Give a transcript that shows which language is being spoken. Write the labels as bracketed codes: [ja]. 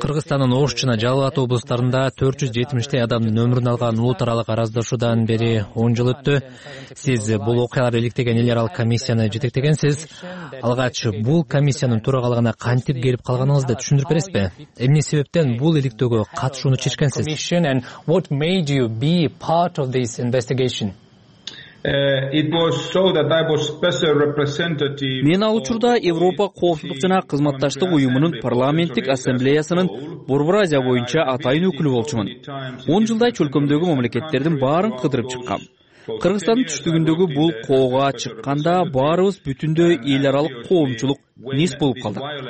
[ky] Кыргызстандын Ош жана Жалал-Абад облустарында 470 адамдын өмүрүн алган улут аралык араздашуудан бери 10 жыл өттү. Сиз бул окуяларды иликтеген эл аралык комиссияны жетектегенсиз. Алгач бул комиссиянын төрагалыгына кантип келип калганыңызды түшүндүрүп бересизби? Эмне себептен бул иликтөөгө катышууну чечкенсиз? [en] What made you be part of this investigation? It was so that I was special representative. [ky] Мен ал учурда Европа коопсуздук жана кызматташтык уюмунун парламенттик ассамблеясынын Борбор Азия боюнча атайын өкүлү болчумун. 10 жылдай чөлкөмдөгү мамлекеттердин баарын кыдырып чыккам. Кыргызстандын түштүгүндөгү бул кооуга чыкканда баарыбыз бүтүндөй эл аралык коомчулук низ болуп калдык.